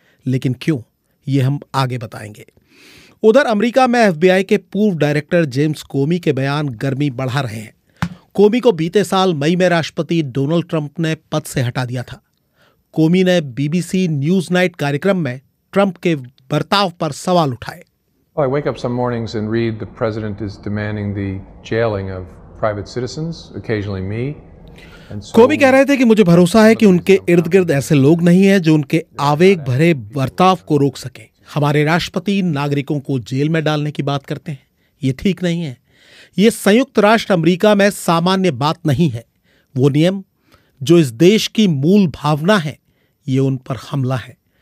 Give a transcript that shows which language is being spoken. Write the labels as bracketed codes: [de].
[hi] लेकिन क्यों, ये हम आगे बताएंगे। उधर अमरीका में FBI के पूर्व डायरेक्टर जेम्स कोमी के बयान गर्मी बढ़ा रहे हैं। कोमी को बीते साल मई में राष्ट्रपति डोनाल्ड ट्रंप ने पद से हटा दिया था। कोमी ने BBC Newsnight कार्यक्रम में ट्रंप के बर्ताव पर सवाल उठाए। [en] I wake up some mornings and read the president is demanding the jailing of private citizens, occasionally me. [hi] कोमी कह रहे थे कि मुझे भरोसा है कि उनके इर्द गिर्द ऐसे लोग नहीं हैं जो उनके आवेग भरे बर्ताव को रोक सके। हमारे राष्ट्रपति नागरिकों को जेल में डालने की बात करते हैं, ये ठीक नहीं है। ये संयुक्त राष्ट्र अमरीका में सामान्य बात नहीं है। वो नियम जो इस देश की मूल भावना है, ये उन पर हमला है।